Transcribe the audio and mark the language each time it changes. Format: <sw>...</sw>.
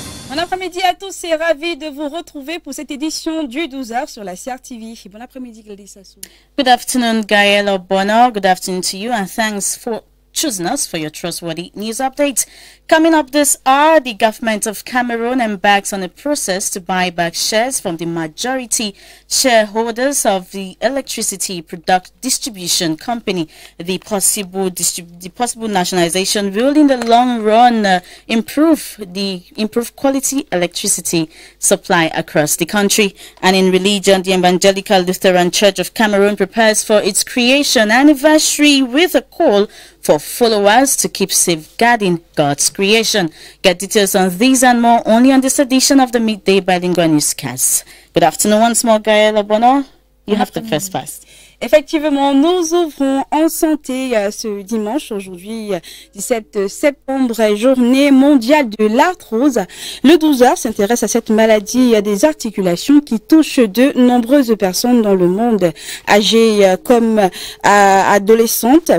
<fr>Bon après-midi à tous et ravi de vous retrouver pour cette édition du 12h sur la Crtv. Bon après-midi, Gladys Assou.</fr> <en>Good afternoon, Gaël Obono. Good afternoon to you and thanks for choosing us for your trustworthy news update. Coming up this hour, the government of Cameroon embarks on a process to buy back shares from the majority shareholders of the electricity product distribution company. The possible nationalization will in the long run improve quality electricity supply across the country. And in religion, the Evangelical Lutheran Church of Cameroon prepares for its creation anniversary with a call for followers to keep safeguarding God's creation. Get details on these and more only on this edition of the Midday Bilingual Newscast. Good afternoon once more, Gaëlle Obono. You have the first pass.</en> <fr>Effectivement, nous ouvrons en santé ce dimanche, aujourd'hui 17 septembre, journée mondiale de l'arthrose. Le 12h s'intéresse à cette maladie des articulations qui touche de nombreuses personnes dans le monde, âgées comme adolescentes.</fr>